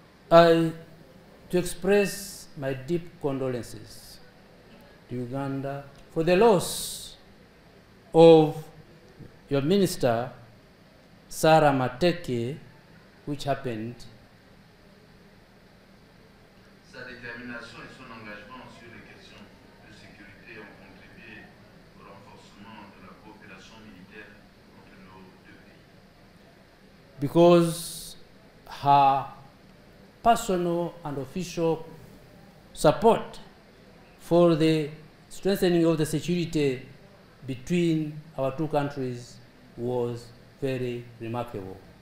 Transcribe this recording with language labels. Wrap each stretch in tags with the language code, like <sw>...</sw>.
<en>to express my deep condolences to Uganda for the loss of your minister, Sarah Mateke, which happened.</en> <fr>Sa détermination et son engagement sur les questions de sécurité ont contribué au renforcement de la coopération militaire entre nos deux pays.</fr> <en>Because her personal and official support for the strengthening of the security between our two countries was very remarkable.</en>